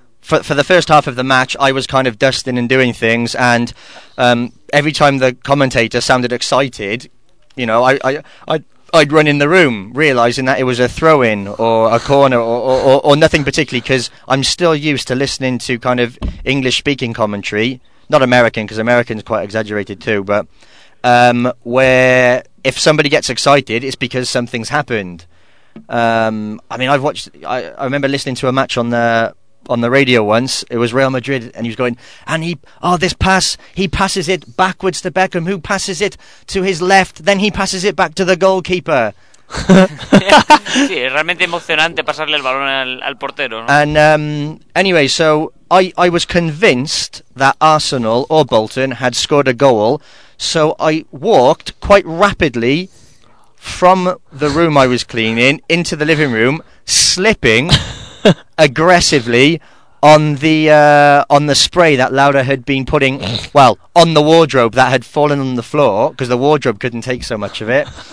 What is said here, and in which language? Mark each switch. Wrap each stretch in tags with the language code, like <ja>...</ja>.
<en>For the first half of the match, I was kind of dusting and doing things, and every time the commentator sounded excited, you know, I'd run in the room, realizing that it was a throw-in or a corner or nothing particularly, because I'm still used to listening to kind of English-speaking commentary, not American, because American's quite exaggerated too, but where if somebody gets excited, it's because something's happened. I mean, I remember listening to a match on the radio once. It was Real Madrid, and he was going, and he passes it backwards to Beckham, who passes it to his left, then he passes it back to the goalkeeper.</en> <es>Sí, es realmente emocionante pasarle el balón al portero, ¿no?</es> <en>And anyway, so I was convinced that Arsenal or Bolton had scored a goal, so I walked quite rapidly from the room I was cleaning into the living room, slipping aggressively on the spray that Laura had been putting, well, on the wardrobe that had fallen on the floor, because the wardrobe couldn't take so much of it.</en>